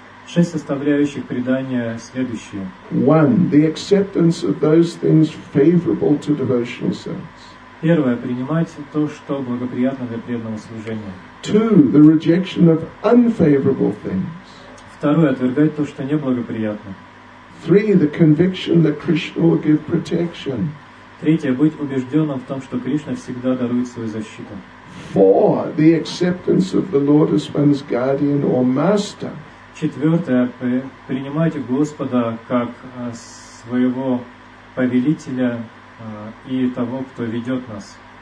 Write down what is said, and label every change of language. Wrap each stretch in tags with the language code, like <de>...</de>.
<ru>Шесть составляющих предания следующие.</ru> <en>One, the acceptance of those things favorable to devotional service.</en> <ru>Первое, принимать то, что благоприятно для преданного служения.</ru> <en>Two, the rejection of unfavorable things.</en> <ru>Второе, отвергать то, что неблагоприятно.</ru> <en>Three, the conviction that Krishna will give protection.</en> <ru>Третье, быть убежденным в том, что Кришна всегда дарует свою защиту.</ru> <en>Four, the acceptance of the Lord as one's guardian or master.</en> <ru>Четвертое, принимать Господа как своего повелителя и того, кто ведет нас.</ru>